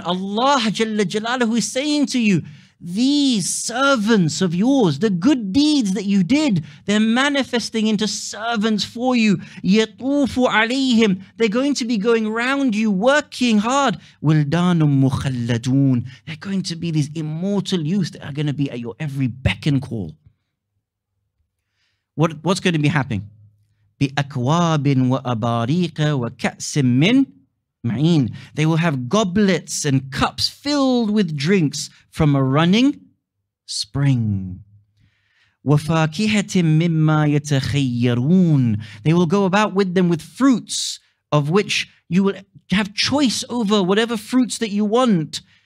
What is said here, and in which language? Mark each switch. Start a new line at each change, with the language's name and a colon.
English: Allah Jalla Jalaluhu is saying to you, these servants of yours, the good deeds that you did, they're manifesting into servants for you.
Arabic: يَطُوفُ عَلَيْهِمْ
English: They're going to be going around you, working hard.
Arabic: وَلْدَانٌ مُخَلَّدُونَ
English: They're going to be these immortal youth that are going to be at your every beck and call. What's going to be happening?
Arabic: بِأَكْوَابٍ وَأَبَارِيقَ وَكَأْسٍ مِّنْ Ma'in.
English: They will have goblets and cups filled with drinks from a running spring.
Arabic: وَفَاكِهَةٍ مِمَّا يَتَخَيَّرُونَ
English: They will go about with them with fruits of which you will have choice over whatever fruits that you want.